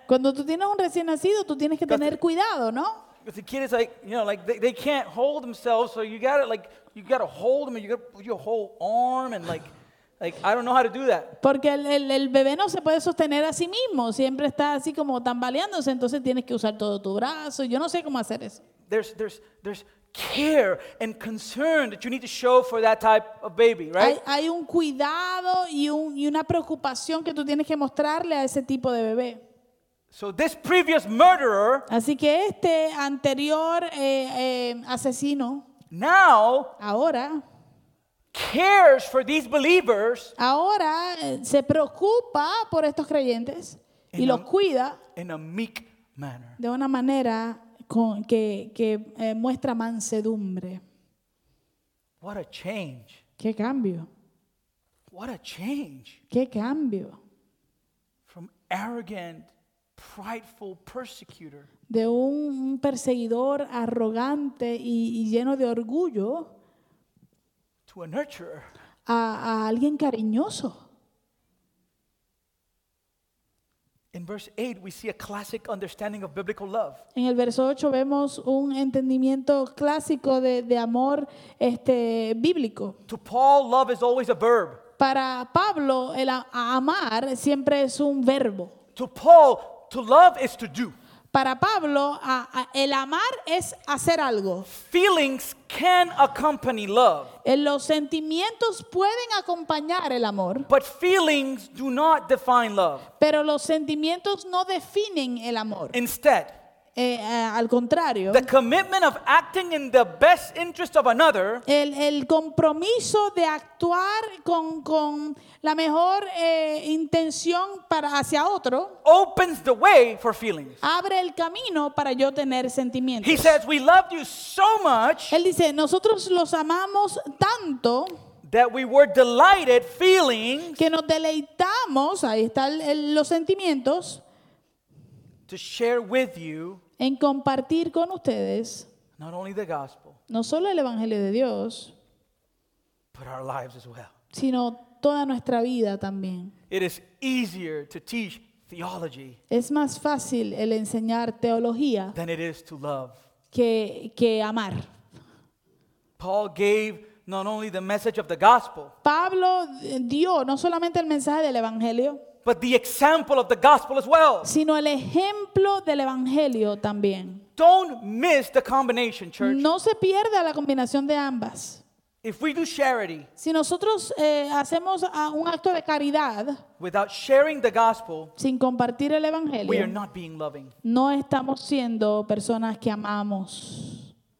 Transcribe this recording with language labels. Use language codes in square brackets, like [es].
[es] Cuando tú tienes un recién nacido, tú tienes que tener cuidado, ¿no? [en] Because the kid is like, you know, like they can't hold themselves, so you gotta hold them, and you gotta put your whole arm and like I don't know how to do that. [es] Porque el bebé no se puede sostener a sí mismo, siempre está así como tambaleándose, entonces tienes que usar todo tu brazo. Yo no sé cómo hacer eso. [en] There's care and concern that you need to show for that type of baby, right? [es] Hay un cuidado y una preocupación que tú tienes que mostrarle a ese tipo de bebé. [en] So this previous murderer, [es] así que este anterior asesino, [en] now, [es] ahora, [en] cares for these believers, [es] ahora se preocupa por estos creyentes y los cuida [en] in a meek manner, [es] de una manera que muestra mansedumbre. [en] What a change. [es] Qué cambio. [en] What a change. [es] Qué cambio. [en] From arrogant, prideful persecutor. [es] De un perseguidor arrogante y lleno de orgullo. [en] To a nurturer. [es] A alguien cariñoso. [en] In verse 8 we see a classic understanding of biblical love. [es] En el verso 8 vemos un entendimiento clásico de amor bíblico. [en] To Paul, love is always a verb. [es] Para Pablo, el amar siempre es un verbo. [en] To Paul, to love is to do. [es] Para Pablo, el amar es hacer algo. [en] Feelings can accompany love. [es] Los sentimientos pueden acompañar el amor. [en] But feelings do not define love. [es] Pero los sentimientos no definen el amor. [en] Instead, [es] al contrario, [en] the commitment of acting in the best interest of another, [es] el compromiso de actuar con la mejor intención para hacia otro, [en] opens the way for feelings. [es] Abre el camino para yo tener sentimientos. [en] He says, "We loved you so much." [es] Él dice, "Nosotros los amamos tanto." [en] That we were delighted feelings. [es] Que nos deleitamos, ahí están los sentimientos. [en] to share with you [es] en compartir con ustedes [en] not only the gospel, [es] no solo el Evangelio de Dios, [en] but our lives as well. [es] Sino toda nuestra vida también. [en] It is easier to teach theology [es] es más fácil el enseñar teología [en] than it is to love. [es] Que amar. [en] Paul gave not only the message of the gospel, [es] Pablo dio no solamente el mensaje del Evangelio, [en] but the example of the gospel as well. [es] Sino el ejemplo del Evangelio también. [en] Don't miss the combination, church. [es] No se pierda la combinación de ambas. [en] If we do charity, [es] si nosotros hacemos un acto de caridad, [en] without sharing the gospel, [es] sin compartir el Evangelio, [en] we are not being loving. [es] No estamos siendo personas que amamos.